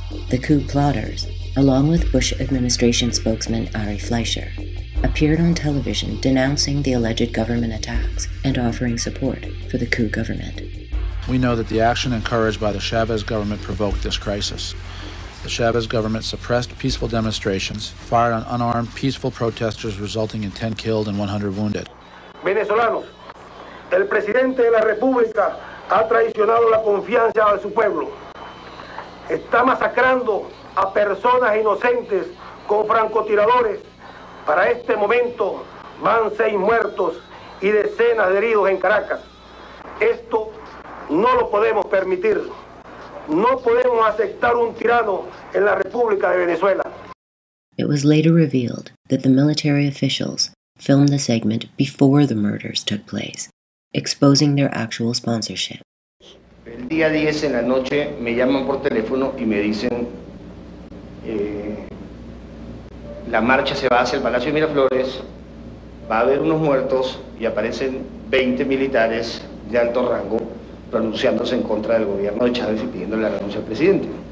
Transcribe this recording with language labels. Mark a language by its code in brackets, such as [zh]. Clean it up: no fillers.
[en] The coup plotters, along with Bush administration spokesman Ari Fleischer, appeared on television denouncing the alleged government attacks and offering support for the coup government. We know that the action encouraged by the Chavez government provoked this crisis. The Chavez government suppressed peaceful demonstrations, fired on unarmed, peaceful protesters, resulting in 10 killed and 100 wounded. [es] Venezolanos, el presidente de la República ha traicionado la confianza de su pueblo. Está masacrando a personas inocentes con francotiradores. Para este momento van 6 muertos y decenas de heridos en Caracas. Esto no lo podemos permitir. No podemos aceptar un tirano en la República de Venezuela. [en] It was later revealed that the military officials filmed the segment before the murders took place, exposing their actual sponsorship. [es] El día 10 en la noche me llaman por teléfono y me dicen la marcha se va hacia el Palacio de Miraflores, va a haber unos muertos y aparecen 20 militares de alto rango pronunciándose en contra del gobierno de Chávez y pidiendo la renuncia al presidente.